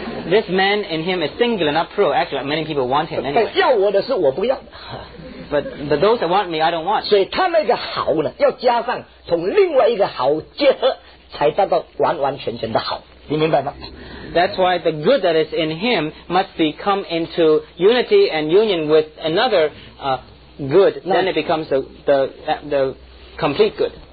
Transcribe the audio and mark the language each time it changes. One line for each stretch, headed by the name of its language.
English: This man in him is singular not plural Actually many people want him anyway
Chinese: 要我的是我不要
English: But those that want me, I don't want.
Chinese: 所以他那个好呢，要加上同另外一个好结合，才达到完完全全的好。你明白吗？
English: That's why the good that is in him must be come into unity and union with another good. Then it becomes the complete good.